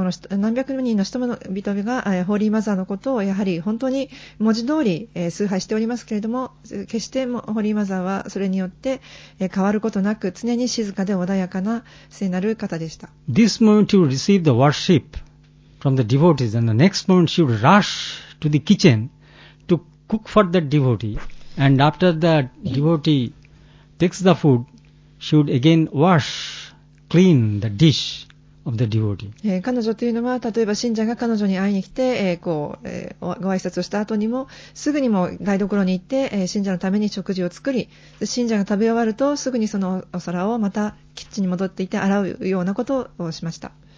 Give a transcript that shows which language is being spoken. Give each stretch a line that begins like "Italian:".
Japanese: 何百人の人々が、ホーリーマザーのことをやはり本当に文字通り、崇拝しておりますけれども、決してもホーリーマザーはそれによって、変わることなく常に静かで穏やかな聖なる方でした。
English: This moment she would receive the worship from the devotees, and the next moment she would rush to the kitchen to cook for that devotee, and after that devotee takes the food, she would again washClean the dish of the devotee.
Japanese: 彼女というのは、例えば信者が彼女に会いに来て、こう、ご挨拶をした後にもすぐにも台所に行って、信者のために食事を作り、信者が食べ終わるとすぐにそのお皿をまたキッチンに戻っていて洗うようなことをしました。